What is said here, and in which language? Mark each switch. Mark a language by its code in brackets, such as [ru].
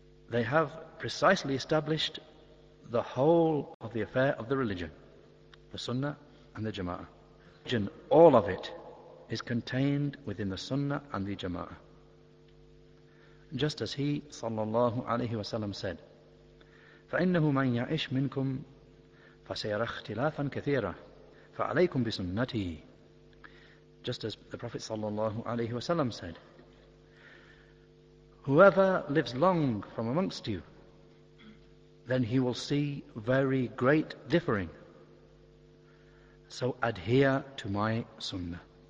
[en] They have precisely established the whole of the affair of the religion, the sunnah and the jama'ah. Religion, all of it, is contained within the Sunnah and the Jama'ah. Just as he, sallallahu alayhi wa sallam, said, [ar] فَإِنَّهُ مَنْ يَعِشْ مِنْكُمْ فَسَيَرَ اخْتِلَافًا كَثِيرًا فَعَلَيْكُمْ بِسُنَّتِي. [en] Just as the Prophet, sallallahu alayhi wa sallam, said, whoever lives long from amongst you, then he will see very great differing. So adhere to my Sunnah.